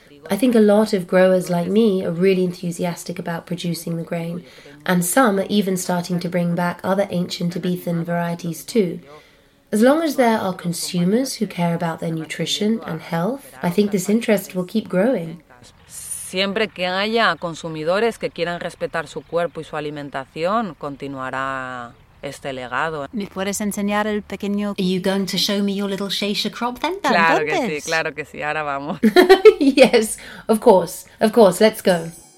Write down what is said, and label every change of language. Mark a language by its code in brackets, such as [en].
[en] I think a lot of growers like me are really enthusiastic about producing the grain, and some are even starting to bring back other ancient Ibizan varieties too. As long as there are consumers who care about their nutrition and health, I think this interest will keep growing. [es] Siempre que haya consumidores que quieran respetar su cuerpo y su alimentación, continuará este legado. ¿Me puedes enseñar el pequeño? [en] Are you going to show me your little shisha crop then? [es] Claro que sí, claro que sí. Ahora vamos. [en] Yes, of course, let's go.